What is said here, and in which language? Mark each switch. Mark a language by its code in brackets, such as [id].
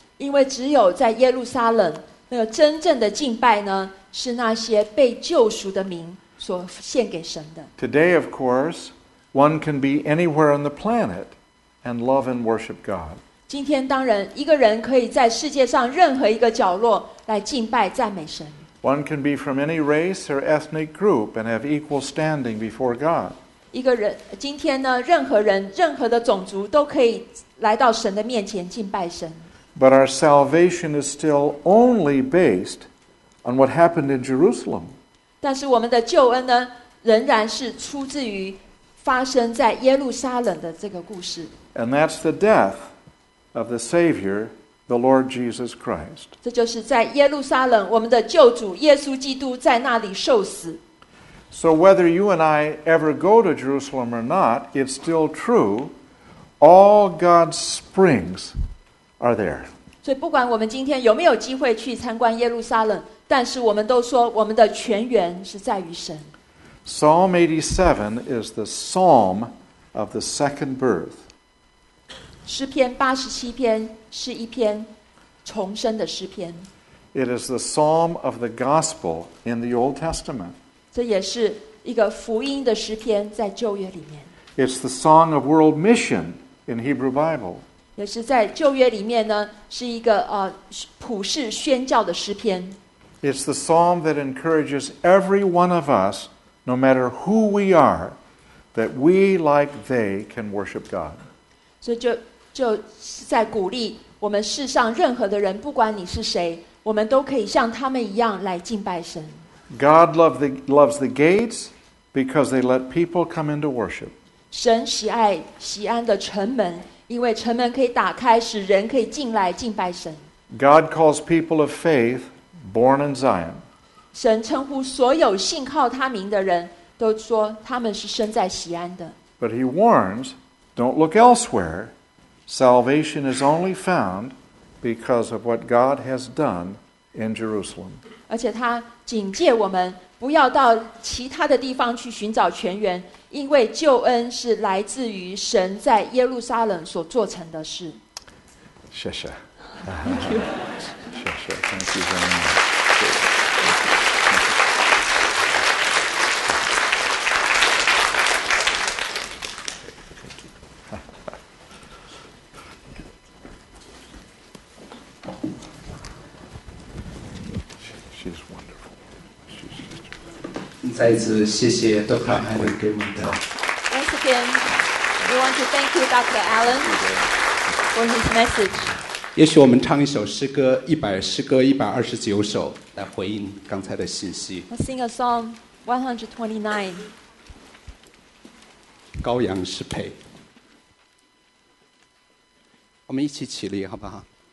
[zh] 因为只有在耶路撒冷，那个真正的敬拜呢，是那些被救赎的民所献给神的。 [en] Today, of course, one can be anywhere on the planet and love and worship God. [zh] 今天当然，一个人可以在世界上任何一个角落来敬拜赞美神。 [en] One can be from any race or ethnic group and have equal standing before God. [zh] 一个人，今天呢，任何人，任何的种族都可以来到神的面前敬拜神。 [en] But our salvation is still only based on what happened in Jerusalem. [zh] 但是我们的救恩呢，仍然是出自于发生在耶路撒冷的这个故事。 [en] And that's the death of the Savior. The Lord Jesus Christ. [zh] 这就是在耶路撒冷，我们的救主耶稣基督在那里受死。 [en] So whether you and I ever go to Jerusalem or not, it's still true. all God's springs are there. [zh] 所以不管我们今天有没有机会去参观耶路撒冷，但是我们都说我们的泉源是在于神。 [en] Psalm 87 is the psalm of the second birth. [zh] 诗篇87篇是一篇重生的诗篇。 [en] It is the psalm of the gospel in the Old Testament. [zh] 这也是一个福音的诗篇在旧约里面。 [en] It's the song of world mission in Hebrew Bible. [zh] 也是在旧约里面呢，是一个普世宣教的诗篇。 [en] It's the psalm that encourages every one of us, no matter who we are, that we like they can worship God. [zh] 所以就是在鼓励我们世上任何的人，不管你是谁，我们都可以像他们一样来敬拜神。 [en] God loves the gates because they let people come into worship. [zh] 神喜爱锡安的城门。因为城门可以打开，使人可以进来敬拜神。 [en] God calls people of faith born in Zion. [zh] 神称呼所有信靠他名的人，都说他们是生在锡安的。 [en] But he warns, don't look elsewhere. Salvation is only found because of what God has done in Jerusalem. [zh] 而且他警戒我们，不要到其他的地方去寻找泉源。因为救恩是来自于神在耶路撒冷所做成的事。谢谢。 [en] Thank you. [zh] 谢谢 [en] ，Thank you very much. She's wonderful. [zh] 再一次谢谢 Dr. Allen 给我们的。 [en] Once again, we want to thank you, Dr. Allen, for his message. [zh] 也许我们唱一首诗歌，一百诗歌一百二十九首，来回应刚才的信息。 [en] Let's sing a song 129. [zh] 羔羊是配。我们一起起立，好不好